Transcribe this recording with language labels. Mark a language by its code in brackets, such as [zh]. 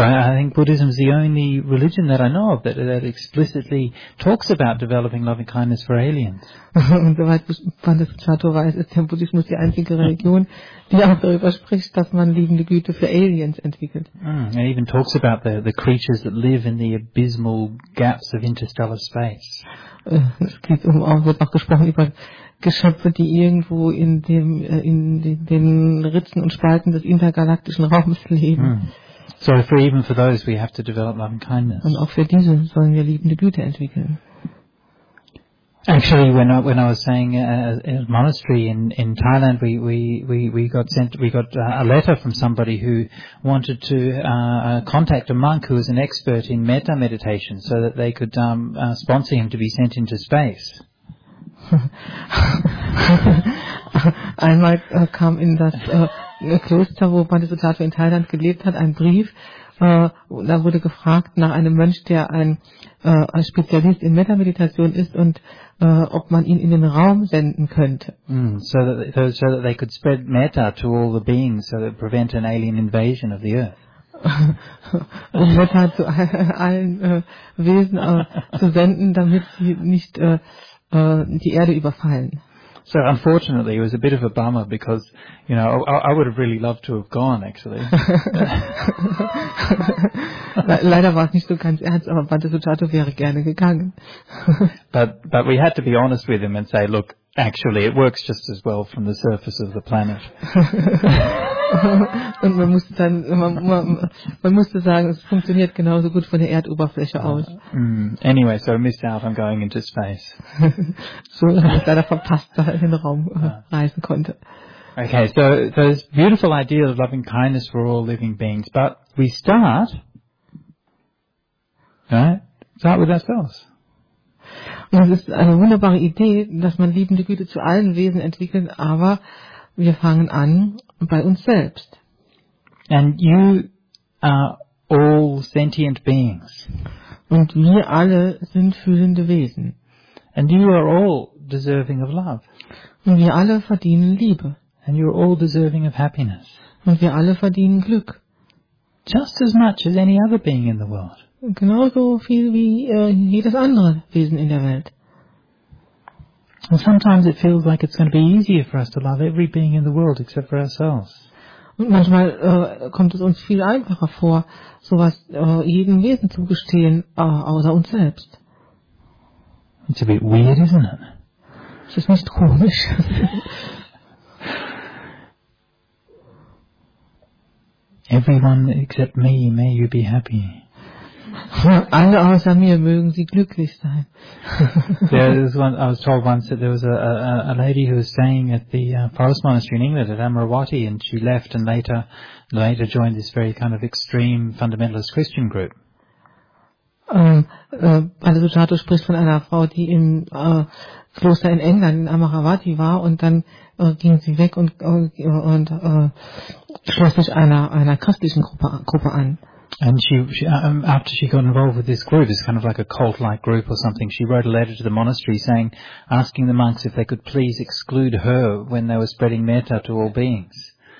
[en] I think Buddhism is the only religion that I know of that explicitly talks about developing loving kindness for aliens. [de] Und soweit ich Bandhisattva weiß, ist der Buddhismus die einzige Religion, die auch darüber spricht, dass man liebende Güte für Aliens entwickelt. [en] It even talks about the creatures that live in the abysmal gaps of interstellar space. [de] Es geht auch gesprochen über Geschöpfe, die irgendwo in den Ritzen und Spalten des intergalaktischen Raums leben. [en] So even for those we have to develop loving kindness. [de] Und auch für diese sollen wir liebende Güte entwickeln. [en] Actually, when I was saying at a monastery in Thailand, we got a letter from somebody who wanted to contact a monk who was an expert in metta meditation, so that they could sponsor him to be sent into space. [de] Einmal kam in das Kloster, wo Bodhisattva in Thailand gelebt hat, einen Brief. Da wurde gefragt nach einem Mönch, der ein Spezialist in Metta-Meditation ist und ob man ihn in den Raum senden könnte. [en] So that they could spread metta to all the beings, so that it prevent an alien invasion of the earth. [de] Um Metta zu allen Wesen zu senden, damit sie nicht die Erde überfallen. [en] So unfortunately, it was a bit of a bummer because, you know, I would have really loved to have gone, actually. [de] Leider war es nicht so ganz ernst, aber Bodhisattva wäre gerne gegangen. [en] But we had to be honest with him and say, look, actually, it works just as well from the surface of the planet. [de] Und man musste sagen, es funktioniert genauso gut von der Erdoberfläche aus. [en] Anyway, so I missed out on going into space. [de] So hat es leider verpasst, dass er in den Raum reisen konnte. [en] Okay, so this beautiful idea of loving kindness for all living beings, but we start, right? Start with ourselves. [de] Und es ist eine wunderbare Idee, dass man liebende Güte zu allen Wesen entwickelt, aber wir fangen an bei uns selbst. [en] And you are all sentient beings. [de] Und wir alle sind fühlende Wesen. [en] And you are all deserving of love. [de] Und wir alle verdienen Liebe. [en] And you're all deserving of happiness. [de] Und wir alle verdienen Glück. [en] Just as much as any other being in the world. [de] Genauso viel wie jedes andere Wesen in der Welt. [en] And sometimes it feels like it's going to be easier for us to love every being in the world except for ourselves. [de] Und manchmal kommt es uns viel einfacher vor, sowas jedem Wesen zu gestehen, außer uns selbst. [en] It's a bit weird, isn't it? [de] Es ist nicht komisch. [en] Everyone except me, may you be happy. [de] Alle außer mir mögen sie glücklich sein. [en] I was told once that there was a lady who was staying at the forest monastery in England at Amrawati, and she left and later joined this very kind of extreme fundamentalist Christian group. [de] Bodhisattva spricht von einer Frau, die im Kloster in England in Amrawati war, und dann ging sie weg und schloss sich einer christlichen Gruppe an. [en] And she after she got involved with this group, it's kind of like a cult-like group or something, she wrote a letter to the monastery saying, asking the monks if they could please exclude her when they were spreading metta to all beings.